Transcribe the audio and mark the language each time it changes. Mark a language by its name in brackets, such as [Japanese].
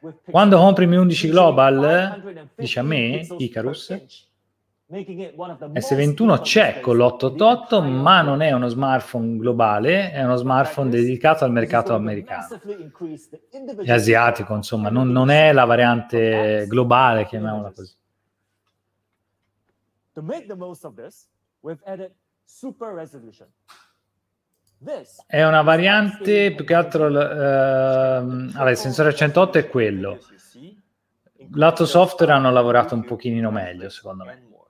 [Italian] Quando compri Mi 11 Global, dice a me, Icarus, S21 c'è con l'888, ma non è uno smartphone globale, è uno smartphone dedicato al mercato americano e asiatico, insomma, non è la variante globale, chiamiamola così. [English] To make the most of this, we've added super resolution. [Italian] È una variante, più che altro, allora, il sensore 108 è quello. Lato software hanno lavorato un pochino meglio, secondo me.